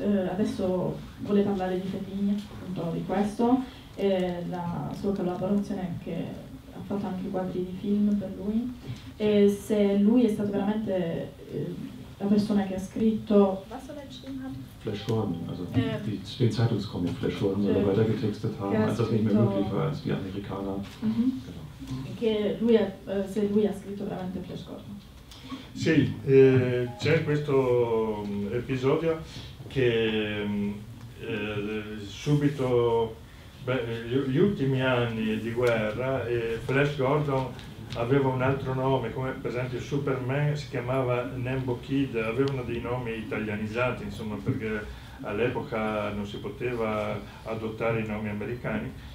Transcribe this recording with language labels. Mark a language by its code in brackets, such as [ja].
[it] Adesso volevo parlare di Fellini, appunto di questo, la sua collaborazione, che ha fatto anche quadri di film per lui. E se lui è stato veramente la persona che ha scritto. [de] Was soll er geschrieben haben? Flash Gordon, also den Zeitungscomic Flash Gordon, oder weiter getextet haben, als das nicht mehr möglich war, als die Amerikaner. [it] Se lui ha scritto veramente Flash Gordon. Sì, c'è questo episodio che subito, gli ultimi anni di guerra, Flash Gordon aveva un altro nome, come per esempio Superman si chiamava Nembo Kid, avevano dei nomi italianizzati, insomma, perché all'epoca non si poteva adottare i nomi americani,